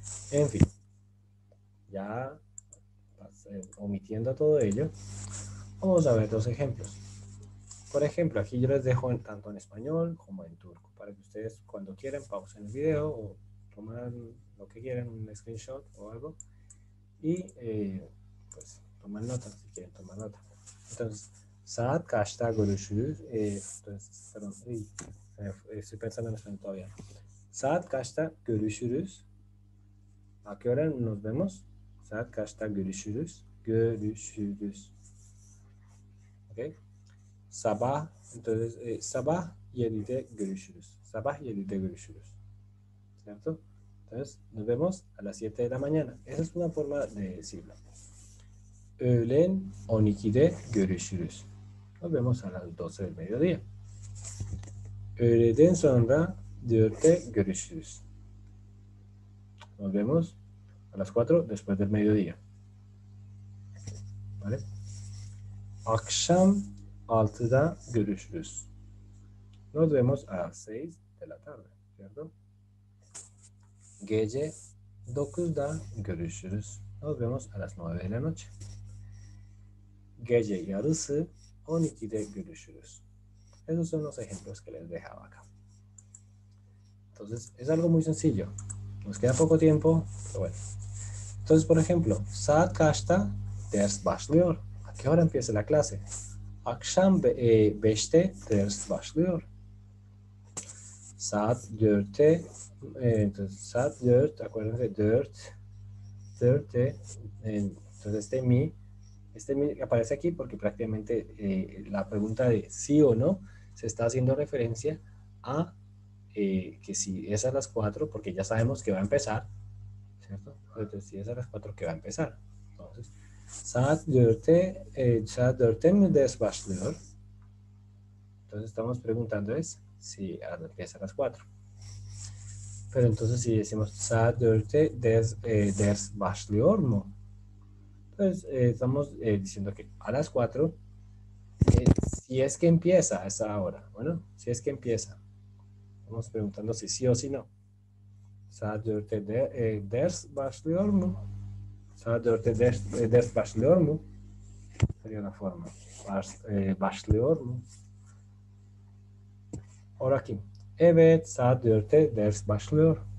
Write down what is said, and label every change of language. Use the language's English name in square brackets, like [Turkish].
[Spanish] En fin, ya omitiendo todo ello, vamos a ver dos ejemplos. Por ejemplo, aquí yo les dejo tanto en español como en turco, para que ustedes cuando quieran pausen el video o toman lo que quieran, un screenshot o algo, y pues toman nota, si quieren tomar nota. [Turkish] Entonces, saat kaçta görüşürüz. [Spanish] Entonces, perdón, estoy pensando en español todavía. [Turkish] Saat kaçta görüşürüz. [Spanish] ¿A qué hora nos vemos? [Turkish] Saat kaçta görüşürüz. Görüşürüz. ¿Ok? Sabah, [Spanish] entonces [Turkish] sabah yedide görüşürüz. Sabah yedide görüşürüz. [Spanish] ¿Cierto? Entonces, nos vemos a las 7 de la mañana. Esa es una forma de decirlo. [Turkish] Öğlen 12'de görüşürüz. [Spanish] Nos vemos a las 12 del mediodía. [Turkish] Öğleden sonra 4'te görüşürüz. [Spanish] Nos vemos a las 4 después del mediodía. ¿Vale? [Turkish] Akşam 6'da görüşürüz. [Spanish] Nos vemos a las 6 de la tarde, ¿cierto? [Turkish] Gece 9'da görüşürüz. [Spanish] Nos vemos a las 9 de la noche. [Turkish] Gece yarısı 12'de görüşürüz. [Spanish] Esos son los ejemplos que les dejaba acá. Entonces, es algo muy sencillo. Nos queda poco tiempo, pero bueno. Entonces, por ejemplo, [Turkish] saat kaçta ders başlıyor. [Spanish] ¿A qué hora empieza la clase? [Turkish] Akşam 5'te ders başlıyor. Saat 4'te saat 4, [Spanish] acuérdense, [Turkish] 4. [Spanish] 4'te entonces este mi aparece aquí porque prácticamente la pregunta de sí o no se está haciendo referencia a que si es a las 4, porque ya sabemos que va a empezar, ¿cierto? Entonces, si es a las 4, que va a empezar. Entonces, [Turkish] saat 4'te saat 4'te mi ders başlıyor. [Spanish] Entonces, estamos preguntando es si empieza a las 4. Pero entonces, si decimos [Turkish] saat 4'te ders başlıyor mu? [Spanish] Entonces, estamos diciendo que a las 4, si es que empieza a esa hora. Bueno, si es que empieza. Estamos preguntando si sí o si no. [Turkish] Saat 4'te ders başlıyor mu? Saat 4'te ders başlıyor mu? [Spanish] Sería una forma. [Turkish] Başlıyor mu? [Spanish] Ahora aquí. [Turkish] Evet, saat 4'te ders başlıyor.